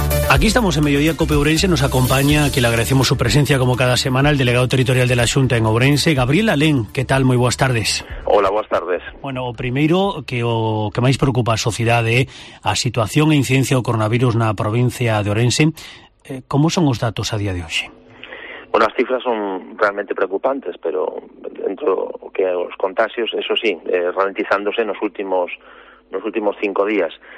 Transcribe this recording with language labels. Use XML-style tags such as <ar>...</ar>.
<es>Aquí estamos en Mediodía Cope Ourense, nos acompaña, que le agradecemos su presencia como cada semana, el delegado territorial de la Xunta en Ourense, Gabriel Alén. ¿Qué tal? Muy buenas tardes. Hola, buenas tardes.</es> <gl>Bueno, o primeiro, que máis preocupa a sociedade, a situación e incidencia do coronavirus na provincia de Ourense, como son os datos a día de hoxe? Bueno, as cifras son realmente preocupantes, pero dentro que os contagios, eso sí, ralentizándose nos últimos cinco días.</gl>